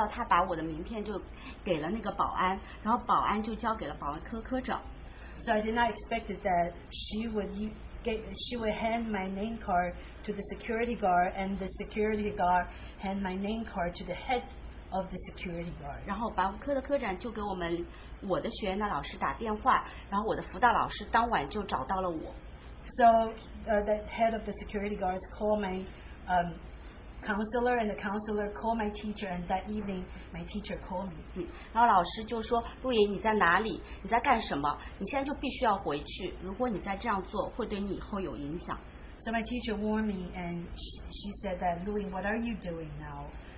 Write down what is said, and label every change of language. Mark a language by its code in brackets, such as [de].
[zh] 但想不到他把我的名片就给了那个保安, 然后保安就交给了保安科科长。 [en] So I did not expect that she would hand my name card to the security guard, and the security guard hand my name card to the head of the security guard. [zh] 然后保安科的科长就给我们我的学员的老师打电话, 然后我的辅导老师当晚就找到了我。 [en] So the head of the security guards called my counselor, and the counselor called my teacher, and that evening my teacher called me. [zh] 然后老师就说, 陆爷你在哪里, 你在干什么, 你现在就必须要回去, 如果你再这样做, 会对你以后有影响。 [en] So my teacher warned me, and she said that, Louis, what are you doing now?